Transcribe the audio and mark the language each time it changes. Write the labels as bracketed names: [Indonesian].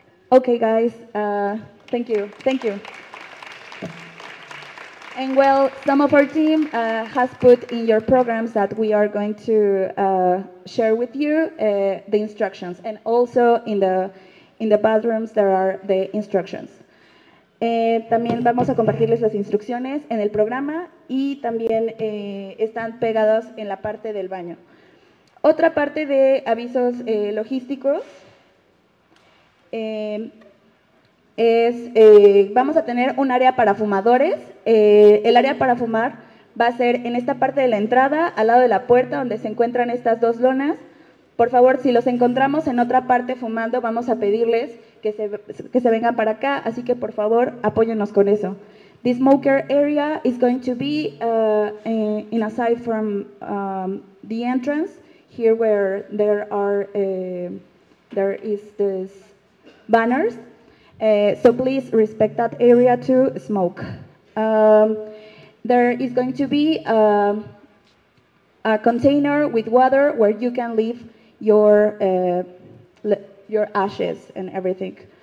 [English] Okay guys, thank you. And well, some of our team has put in your programs that we are going to share with you the instructions. And also in the bathrooms there are the instructions. [Spanish] También vamos a compartirles las instrucciones en el programa y también están pegadas en la parte del baño. Otra parte de avisos logísticos vamos a tener un área para fumadores. El área para fumar va a ser en esta parte de la entrada, al lado de la puerta donde se encuentran estas dos lonas. Por favor, si los encontramos en otra parte fumando, vamos a pedirles que se vengan para acá, así que por favor, apóyennos con eso. [English] The smoker area is going to be in a side from the entrance, here where there are there is this banners. So please respect that area to smoke. There is going to be a container with water where you can leave your ashes and everything.